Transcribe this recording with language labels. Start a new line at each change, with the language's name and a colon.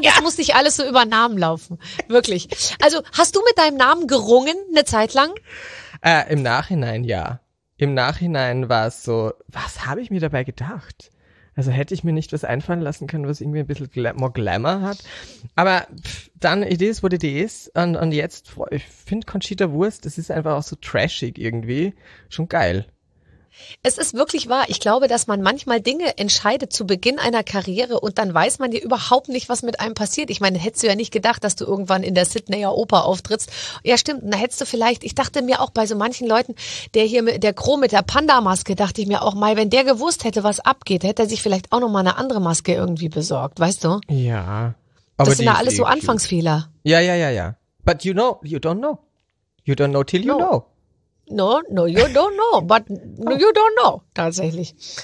German: Das muss nicht alles so über Namen laufen. Wirklich. Also, hast du mit deinem Namen gerungen eine Zeit lang? Im Nachhinein, ja. Im Nachhinein war es so, was habe ich mir dabei gedacht? Also hätte ich mir nicht was einfallen lassen können, was irgendwie ein bisschen more Glamour hat. Aber dann,
English: it is what it is.
German: Und jetzt, ich finde Conchita Wurst, das ist einfach auch so trashig irgendwie. Schon geil. Es ist wirklich wahr. Ich glaube, dass man manchmal Dinge entscheidet zu Beginn einer Karriere und dann weiß man ja überhaupt nicht, was mit einem passiert. Ich meine, hättest du ja nicht gedacht, dass du irgendwann in der Sydneyer Oper auftrittst. Ja, stimmt. Na, hättest du vielleicht, ich dachte mir auch bei so manchen Leuten, der Crow mit der Panda-Maske, dachte ich mir auch mal, wenn der gewusst hätte, was abgeht, hätte er sich vielleicht auch nochmal eine andere Maske irgendwie besorgt, weißt du? Ja. Aber das sind ja alles so Anfangsfehler. Ja, ja, ja, ja.
English: But you know, you don't know. You don't know till you know. No, no, you don't know, but you don't know, tatsächlich.